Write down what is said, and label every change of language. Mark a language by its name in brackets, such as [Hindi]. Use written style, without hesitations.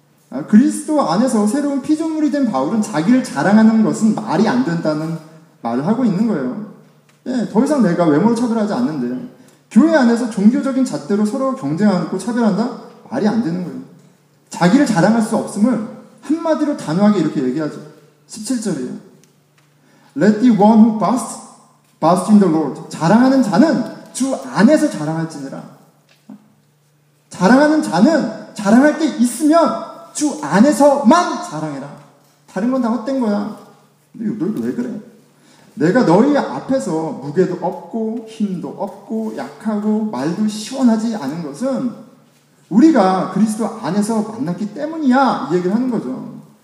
[Korean] 아, 그리스도 안에서 새로운 피조물이 된 바울은 자기를 자랑하는 것은 말이 안 된다는 말을 하고 있는 거예요. 예, 더 이상 내가 외모로 차별하지 않는데 교회 안에서 종교적인 잣대로 서로 경쟁하고 차별한다? 말이 안 되는 거예요. 자기를 자랑할 수 없음을 한마디로 단호하게 이렇게 얘기하죠. 17절이에요. [English] Let the one who boasts in the Lord. [Korean] 자랑하는 자는 주 안에서 자랑할지니라. 자랑하는 자는 자랑할 게 있으면 주 안에서만 자랑해라. 다른 건 다 헛된 거야. 근데 너희도 왜 그래? 내가 너희 앞에서 무게도 없고 힘도 없고 약하고 말도 시원하지 않은 것은 우리가 그리스도 안에서 만났기 때문이야. 이 얘기를 하는 거죠.